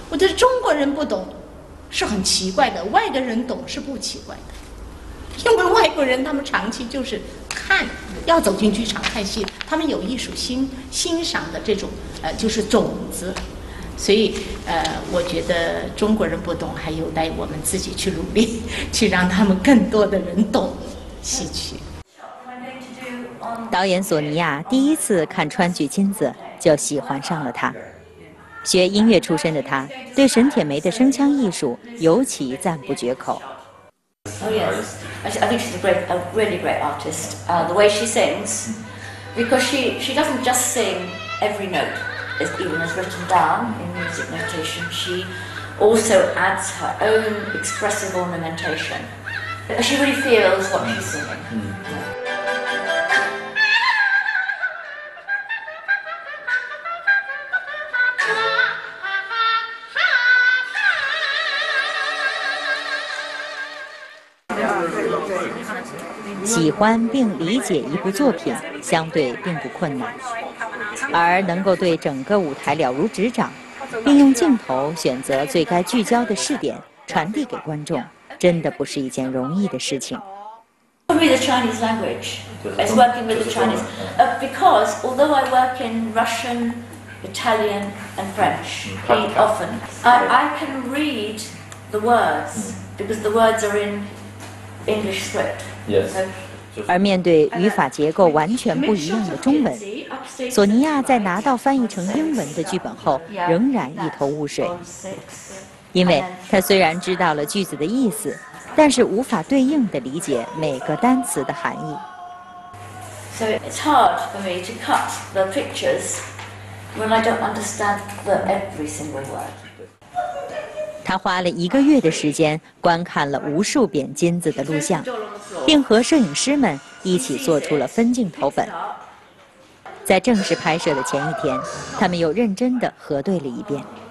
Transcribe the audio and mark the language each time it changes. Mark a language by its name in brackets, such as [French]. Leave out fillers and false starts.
[Chinese] 我觉得中国人不懂是很奇怪的，外国人懂是不奇怪的，因为外国人他们长期就是看，要走进剧场看戏，他们有艺术欣赏的这种就是种子，所以我觉得中国人不懂还有待我们自己去努力，去让他们更多的人懂戏曲。导演索尼亚第一次看川剧《金子》就喜欢上了他。学音乐出身的他，对沈铁梅的声腔艺术尤其赞不绝口。 [English] Oh yes, I think she's a really great artist. The way she sings, because she doesn't just sing every note, even as written down in music notation. She also adds her own expressive ornamentation. She really feels what she's singing. [Chinese] 喜欢并理解一部作品相对并不困难，而能够对整个舞台了如指掌，并用镜头选择最该聚焦的视点传递给观众，真的不是一件容易的事情。 [English] For me the Chinese language is working with the Chinese because although I work in Russian, Italian and French often, I can read the words because the words are inEnglish script. [Chinese] 而面对语法结构完全不一样的中文，索尼亚在拿到翻译成英文的剧本后仍然一头雾水，因为他虽然知道了句子的意思，但是无法对应地理解每个单词的含义。 [English] So it's hard for me to cut the pictures when I don't understand the every single word. [Chinese] 他花了一个月的时间观看了无数遍金子的录像，并和摄影师们一起做出了分镜头本。在正式拍摄的前一天，他们又认真地核对了一遍。